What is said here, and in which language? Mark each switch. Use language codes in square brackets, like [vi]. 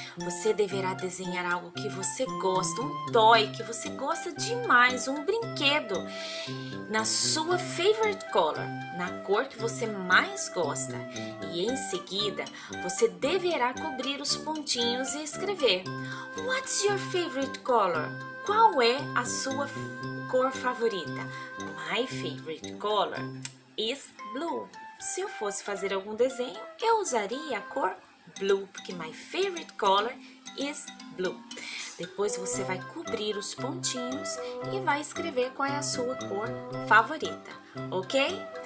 [pt] Você deverá desenhar algo que você gosta. Um toy que você gosta demais. Um brinquedo. Na sua [en] favorite color. [pt] Na cor que você mais gosta. E em seguida, você deverá cobrir os pontinhos e escrever. [en] What's your favorite color? [pt] Qual é a sua cor favorita? [en] My favorite color is blue. [pt] Se eu fosse fazer algum desenho, eu usaria a cor blue, porque [en] my favorite color is blue. [pt] Depois você vai cobrir os pontinhos e vai escrever qual é a sua cor favorita, ok?